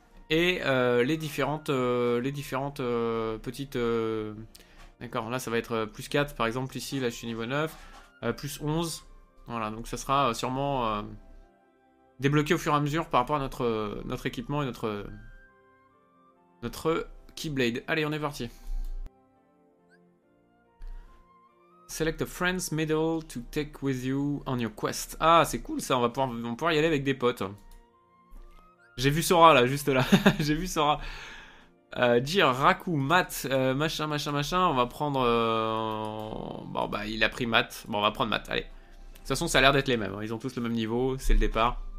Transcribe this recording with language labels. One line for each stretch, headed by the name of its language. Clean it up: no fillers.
French: Et les différentes petites d'accord, là ça va être plus 4 par exemple, ici là je suis niveau 9, plus 11, voilà, donc ça sera sûrement débloqué au fur et à mesure par rapport à notre équipement et notre Keyblade. Allez, on est parti.
English: Select a friend's medal to take with you on your quest.
French: Ah, c'est cool ça, on va pouvoir y aller avec des potes. J'ai vu Sora là, juste là. J'ai vu Sora. Dire Raku, Matt, machin. On va prendre. Bon, bah, il a pris Matt. Bon, on va prendre Matt, allez. De toute façon, ça a l'air d'être les mêmes. Hein. Ils ont tous le même niveau, c'est le départ.